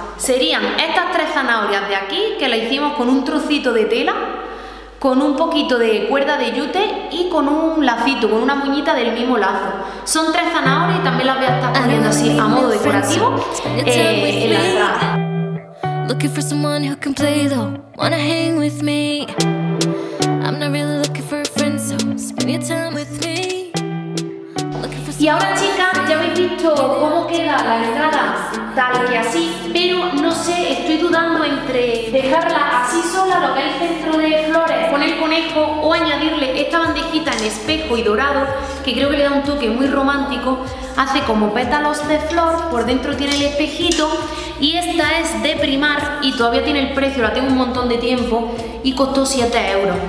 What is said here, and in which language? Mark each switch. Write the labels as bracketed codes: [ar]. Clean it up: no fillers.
[es] Serían estas tres zanahorias de aquí, que la hicimos con un trocito de tela, con un poquito de cuerda de yute y con un lacito, con una muñita del mismo lazo. Son tres zanahorias y también las voy a estar poniendo así a modo decorativo en la entrada. [en] Looking for someone who can play though, wanna hang with me. I'm not really looking for a friend, so spend your time with me. [es] Y ahora, chicas, ya habéis visto cómo queda la entrada tal que así, pero no sé, estoy dudando entre dejarla así sola, lo que es el centro de flores, con el conejo, o añadirle esta bandejita en espejo y dorado, que creo que le da un toque muy romántico, hace como pétalos de flor, por dentro tiene el espejito, y esta es de Primark y todavía tiene el precio, la tengo un montón de tiempo, y costó 7 euros.